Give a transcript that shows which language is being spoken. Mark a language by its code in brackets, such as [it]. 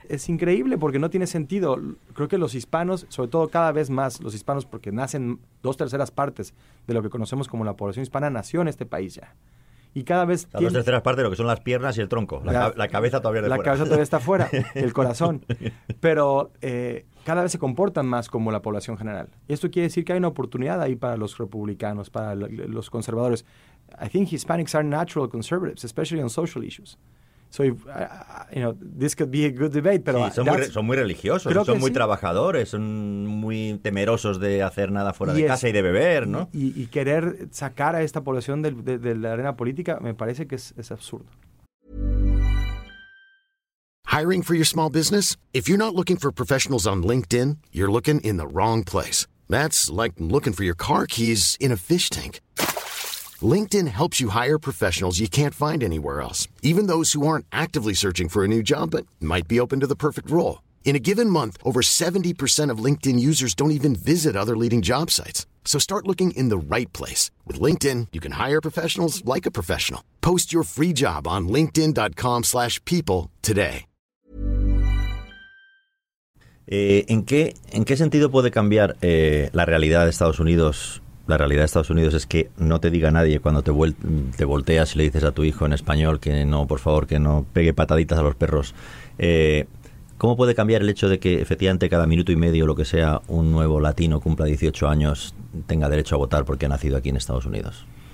[es] Es increíble porque no tiene sentido. Creo que los hispanos, sobre todo cada vez más los hispanos, porque nacen dos terceras partes de lo que conocemos como la población hispana, nació en este país ya. Y cada vez las dos terceras partes de lo que son las piernas y el tronco. La cabeza todavía está fuera. La cabeza todavía está fuera, el corazón. Pero cada vez se comportan más como la población general. Y esto quiere decir que hay una oportunidad ahí para los republicanos, para los conservadores. [en] I think Hispanics are natural conservatives, especially on social issues. So, if, you know, this could be a good debate. But [es] sí, son muy religiosos, son muy trabajadores, son muy temerosos de hacer nada fuera de casa y de beber, ¿no? Y querer sacar a esta población de la arena política me parece que es absurdo. [en] Hiring for your small business? If you're not looking for professionals on LinkedIn, you're looking in the wrong place. That's like looking for your car keys in a fish tank. LinkedIn helps you hire professionals you can't find anywhere else, even those who aren't actively searching for a new job but might be open to the perfect role. In a given month, over 70% of LinkedIn users don't even visit other leading job sites. So start looking in the right place. With LinkedIn, you can hire professionals like a professional. Post your free job on linkedin.com/people today. [es] ¿En qué sentido puede cambiar la realidad de Estados Unidos? La realidad de Estados Unidos es que no te diga nadie cuando te volteas y le dices a tu hijo en español que no, por favor, que no pegue pataditas a los perros. ¿Cómo puede cambiar el hecho de que efectivamente cada minuto y medio, lo que sea, un nuevo latino cumpla 18 años, tenga derecho a votar porque ha nacido aquí en Estados Unidos?